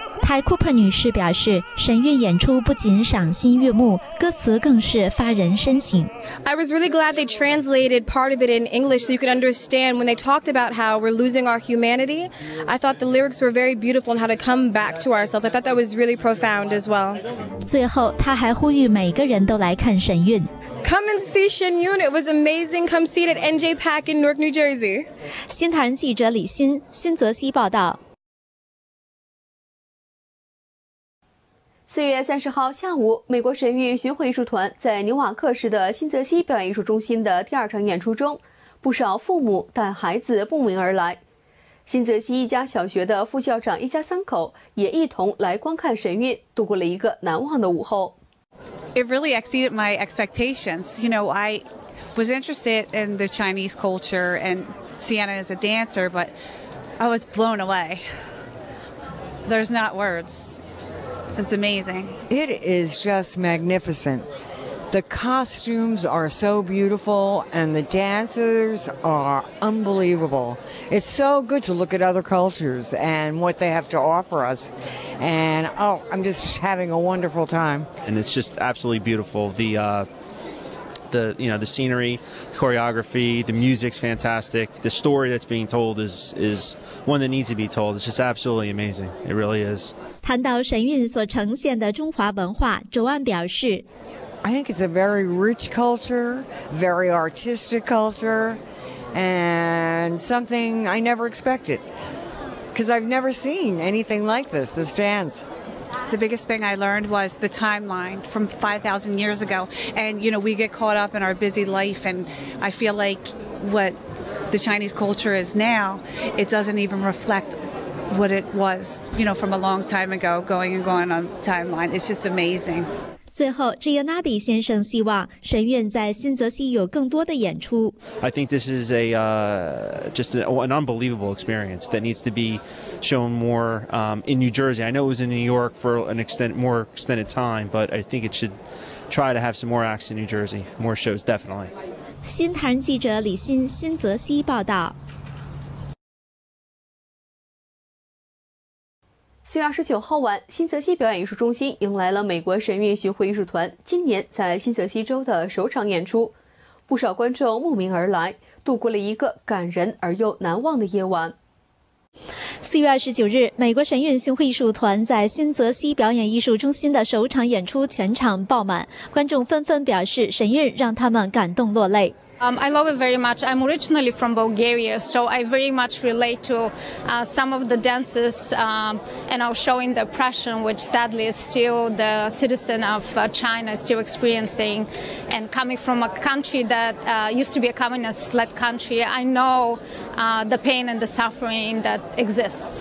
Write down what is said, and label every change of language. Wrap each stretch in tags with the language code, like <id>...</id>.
<zh>Ty Cooper 女士表示，神韵演出不仅赏心悦目，歌词更是发人深省。</zh> <en>I was really glad they translated part of it in English so you could understand when they talked about how we're losing our humanity. I thought the lyrics were very beautiful and how to come back to ourselves. I thought that was really profound as well.</en> <zh>最后，她还呼吁每个人都来看神韵。</zh> <en>Come and see神韵, it was amazing. Come see it at NJ Pack in Newark, New Jersey.</en> <zh>新唐人记者李欣，新泽西报道。 4月30号下午，美国神韵巡回艺术团在纽瓦克市的新泽西表演艺术中心的第二场演出中，不少父母带孩子慕名而来。新泽西一家小学的副校长一家三口也一同来观看神韵，度过了一个难忘的午后。</zh> <en>It really exceeded my expectations. You know, I was interested in the Chinese culture and Sienna as a dancer, but I was blown away. There's not words. It's amazing. It is just magnificent. The costumes are so beautiful and the dancers are unbelievable. It's so good to look at other cultures and what they have to offer us. And oh, I'm just having a wonderful time. And it's just absolutely beautiful. The scenery, the choreography, the music's fantastic. The story that's being told is one that needs to be told. It's just absolutely amazing. It really is.</en> <zh>谈到神韵所呈现的中华文化，周安表示</zh> <en>I think it's a very rich culture, very artistic culture, and something I never expected. Because I've never seen anything like this dance. The biggest thing I learned was the timeline from 5,000 years ago. And, you know, we get caught up in our busy life, and I feel like what the Chinese culture is now, it doesn't even reflect what it was, you know, from a long time ago, going on the timeline. It's just amazing.</en> <zh>最后 Giannadi 先生希望神韵在新泽西有更多的演出。</zh> <en>I think this is an unbelievable experience that needs to be shown more in New Jersey. I know it was in New York for an extended time, but I think it should try to have some more acts in New Jersey, more shows, definitely.</en> <zh>新唐人记者李欣，新泽西报道。 4月29号晚，新泽西表演艺术中心迎来了美国神韵巡回艺术团今年在新泽西州的首场演出，不少观众慕名而来，度过了一个感人而又难忘的夜晚。 4月29日，美国神韵巡回艺术团在新泽西表演艺术中心的首场演出全场爆满，观众纷纷表示神韵让他们感动落泪。</zh> <en>I love it very much. I'm originally from Bulgaria, so I very much relate to some of the dances and are showing the oppression which sadly is still the citizen of China is still experiencing. And coming from a country that used to be a communist-led country, I know the pain and the suffering that exists.</en>